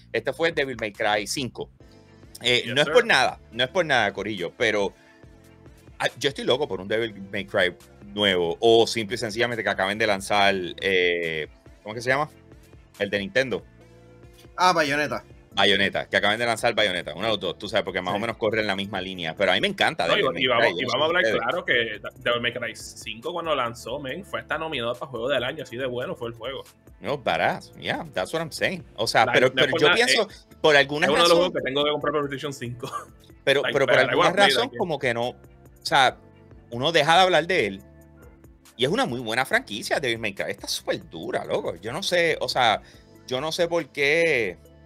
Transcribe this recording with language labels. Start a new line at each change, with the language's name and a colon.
Spanish: Este fue Devil May Cry 5. No es por nada, Corillo, pero yo estoy loco por un Devil May Cry nuevo o simple y sencillamente que acaben de lanzar, ¿cómo que se llama? El de Nintendo. Ah, Bayonetta. Bayonetta, que acaban de lanzar Bayonetta, uno de los dos, tú sabes, porque más o menos corre en la misma línea, pero a mí me encanta. No, y vamos a hablar claro que Devil May Cry 5 cuando lanzó, fue hasta nominado para Juego del Año, así de bueno fue el juego.
English: No, badass, yeah, that's what I'm saying.
Spanish: O sea, pero yo pienso, por alguna razón... Es uno de los juegos que tengo que comprar PlayStation 5. Pero por alguna razón, como que no... O sea, uno deja de hablar de él, y es una muy buena franquicia, Devil May Cry. Está súper dura, loco. Yo no sé por qué...